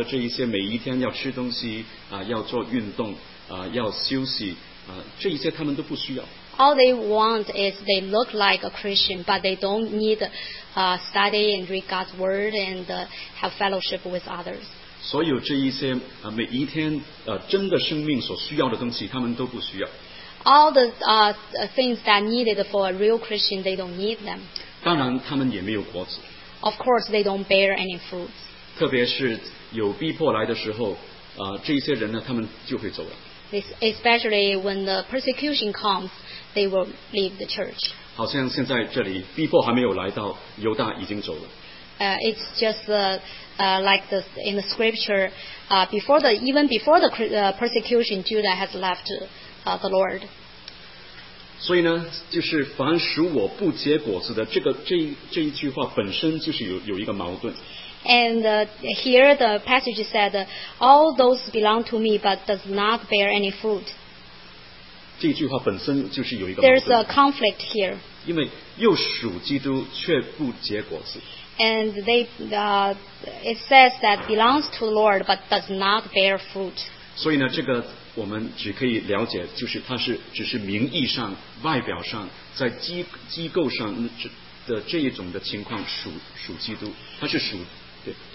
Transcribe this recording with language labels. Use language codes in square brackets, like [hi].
[zh] 但是他们你不需要基督徒需要的这一些每一天要吃东西, 要做运动, 要休息, 这一些他们都不需要。 [en] All they want is they look like a Christian, but they don't need study and read God's word and have fellowship with others. [zh] 所有这一些, 每一天, 真的生命所需要的东西, 他们都不需要。 [en] All the things that needed for a real Christian, they don't need them. [zh] 当然他们也没有果子。 [en] Of course, they don't bear any fruits. [zh] 特别是有逼迫来的时候, 这一些人呢, 他们就会走了。 [en] Especially when the persecution comes, they will leave the church. [zh] 好像现在这里逼迫还没有来到，犹大已经走了。 [en] it's just like this in the scripture, before the persecution, Judah has left the Lord. [zh] 所以呢, 就是凡使我不结果子的, 这一句话 本身就是有一个矛盾。 [en] And here the passage said, all those belong to me but does not bear any fruit. [zh] 这一句话本身就是有一个矛盾。 [en] There's a conflict here. [zh] 因为又属基督却不结果子。 [en] And they, it says that belongs to the Lord but does not bear fruit. [zh] 所以呢, 我们只可以了解，就是它是只是名义上、外表上，在机构上的这一种的情况属基督，它是属对。